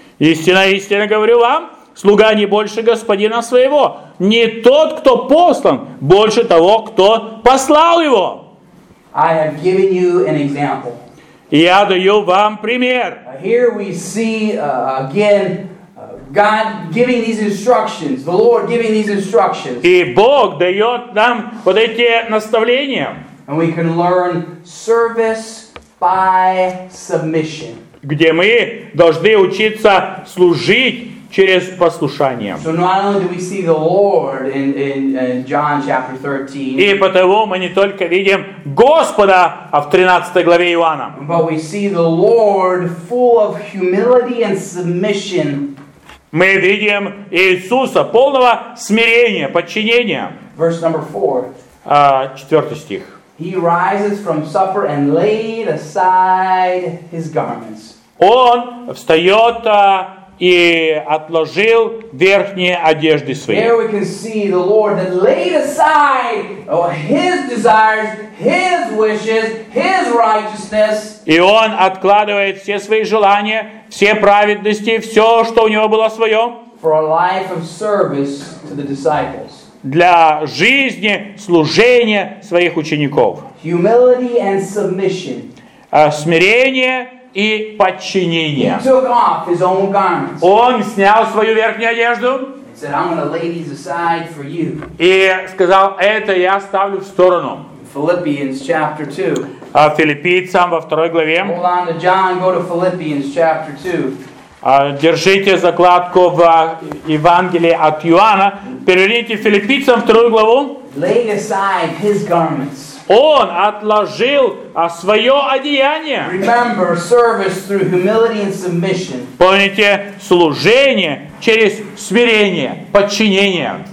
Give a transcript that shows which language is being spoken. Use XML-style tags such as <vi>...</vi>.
<ru>Истинно, истинно говорю вам, слуга не больше господина своего, не тот, кто послан, больше того, кто послал его.</ru> <en>I have given you an example.</en> <ru>Я даю вам пример.</ru> <en>Here we see again God giving these instructions. The Lord giving these instructions.</en> <ru>И Бог дает нам вот эти наставления.</ru> <en>And we can learn service by submission.</en> <ru>Где мы должны учиться служить через послушание.</ru> <en>So not only do we see the Lord in John chapter 13.</en> <ru>И потому мы не только видим Господа в 13 главе Иоанна.</ru> <en>But we see the Lord full of humility and submission.</en> <ru>Мы видим Иисуса полного смирения, подчинения.</ru> <en>Verse number 4.</en> <ru>4 стих.</ru> <en>He rises from supper and laid aside his garments.</en> <ru>Он встает и отложил верхние одежды свои.</ru> <en>Here we can see the Lord that laid aside his desires, his wishes, his righteousness.</en> <ru>И он откладывает все свои желания, все праведности, все, что у него было свое.</ru> <en>For a life of service to the disciples.</en> <ru>Для жизни служения своих учеников.</ru> <en>Humility and submission.</en> <ru>Смирение и подчинение.</ru> <en>He took off his own garments.</en> <ru>Он снял свою верхнюю одежду.</ru> <en>He said, I'm going to lay these aside for you.</en> <ru>И сказал, это я ставлю в сторону.</ru> <en>Philippians chapter 2.</en> <ru>Филиппийцам во второй главе.</ru> <en>Hold on to John, go to Philippians chapter 2.</en> <ru>Держите закладку в Евангелии от Иоанна. Переверните Филиппийцам вторую главу.</ru> <en>Lay aside his garments.</en> <ru>Он отложил свое одеяние.</ru> <en>Remember, service through humility and submission.</en> <ru>Помните, служение через смирение, подчинение.</ru>